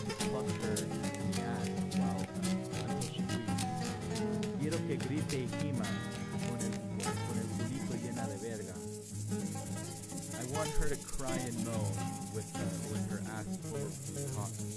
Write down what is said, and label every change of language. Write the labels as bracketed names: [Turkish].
[English] Fuck her in the ass while she weeps. [Spanish] Quiero que grite y gima con el culito llena de verga. [English] I want her to cry and moan with her ass full of cock.